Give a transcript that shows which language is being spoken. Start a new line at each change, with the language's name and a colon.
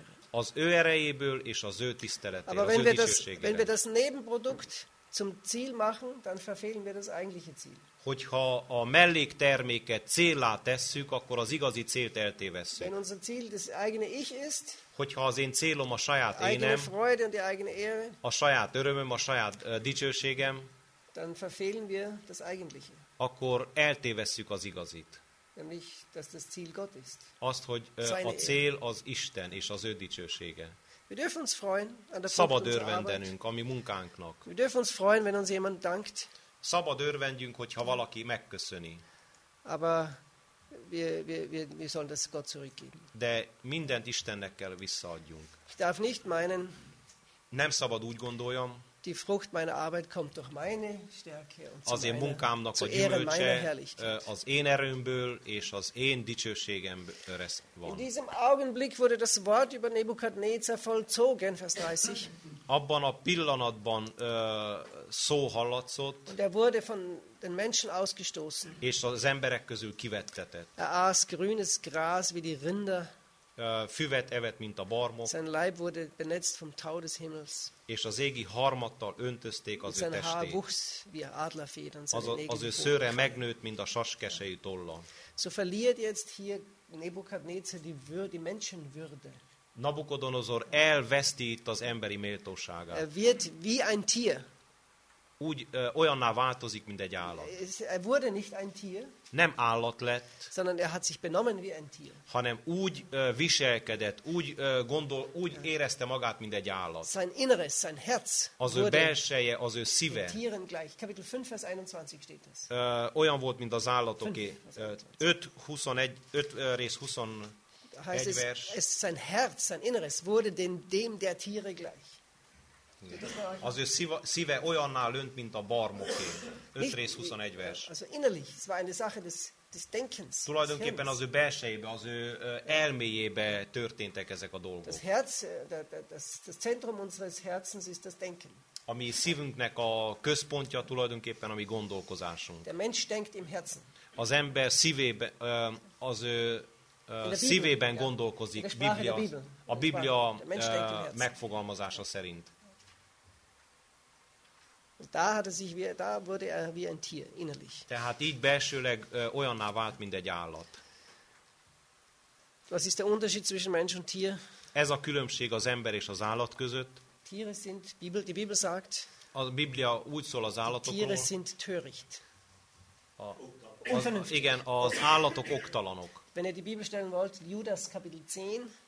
Hungarian: Az ő erejéből és az ő tisztelete, az ő dicsőségére.
German: Wenn wir das Nebenprodukt zum Ziel machen, dann verfehlen wir das eigentliche Ziel.
Hungarian: Hogyha a mellékterméket céllá tesszük, akkor az igazi célt eltévesszük.
German: Wenn unser Ziel das eigene Ich ist,
Hungarian: hogyha az én célom a saját énem,
German: Freude und die eigene Ehre,
Hungarian: a saját örömöm, a saját dicsőségem,
German: dann verfehlen wir das eigentliche.
Hungarian: Akkor eltévesszük az igazit.
German: Nämlich, dass das Ziel Gott ist.
Hungarian: Azt, hogy a cél az Isten és az ő dicsősége.
German: Wir dürfen uns freuen, an der
Hungarian: szabad örvendenünk a mi munkánknak.
German: Wir dürfen uns freuen, wenn uns jemand dankt.
Hungarian: Szabad örvendjünk, hogyha valaki megköszöni.
German: Aber wir sollen das Gott zurückgeben.
Hungarian: De mindent Istennek kell visszaadjunk.
German: Ich darf nicht meinen,
Hungarian: nem szabad úgy gondoljam,
German: die Frucht meiner Arbeit kommt durch meine Stärke und
Hungarian: az én munkámnak a gyümölcse az én erőmből és az én dicsőségemből van.
German: In diesem Augenblick wurde das Wort über Nebukadnezar vollzogen, Vers 30.
Hungarian: Abban a pillanatban szó hallatszott,
German: und er wurde von den Menschen ausgestoßen.
Hungarian: És az emberek közül kivettetett.
German: Er aß grünes Gras wie die Rinder.
Hungarian: Füvet evett, mint a barmok.
German: Sein Leib wurde benetzt vom Tau des Himmels.
Hungarian: És az égi harmattal öntözték az
German: sein
Hungarian: ő testét.
German: Haar wuchs wie Adlerfedern, seine
Hungarian: az ő szőre megnőtt, mint a saskesei tolla.
German: So verliert jetzt hier Nebukadnezar die Menschenwürde.
Hungarian: Nabukodonozor elveszti itt az emberi méltóságát.
German: Er wird wie ein Tier.
Hungarian: Úgy olyanná változik, mint egy állat.
German: Er wurde nicht ein Tier,
Hungarian: nem állat lett,
German: sondern er hat sich benommen wie ein Tier.
Hungarian: Hanem úgy viselkedett, úgy gondol, úgy érezte magát, mint egy állat.
German: Sein Inneres, sein Herz,
Hungarian: az ő belseje, az ő szíve.
German: Tieren gleich. Kapitel 5, Vers 21 steht das.
Hungarian: Olyan volt, mint az állatoké. 5 rész 21 vers.
German: Es sein Herz, sein Inneres wurde dem der Tiere gleich.
Hungarian: Az ő szíve olyanná lönt, mint a barmoké. 5 rész 21 vers.
German: Also innerlich, es war eine Sache des Denkens.
Hungarian: Tulajdonképpen az ő belsejébe, az ő elméjébe történtek ezek a dolgok.
German: Das Herz, das Zentrum unseres Herzens ist das Denken.
Hungarian: A mi szívünknek a központja tulajdonképpen a mi gondolkozásunk.
German: Der Mensch denkt im Herzen.
Hungarian: Az ember szívébe, az ő szívében gondolkozik, a Biblia megfogalmazása szerint.
German: Da wurde er wie ein Tier innerlich.
Hungarian: Tehát így belsőleg olyanná vált, mint egy állat.
German: Was ist der Unterschied zwischen Mensch und Tier?
Hungarian: Ez a különbség az ember és az állat között.
German: Tiere sind, die Bibel sagt,
Hungarian: a Biblia úgy szól az állatokról.
German: Tiere sind töricht.
Hungarian: Igen, az állatok oktalanok.
German: Wenn ihr die Bibel stellen wollt, Judas Kapitel 10.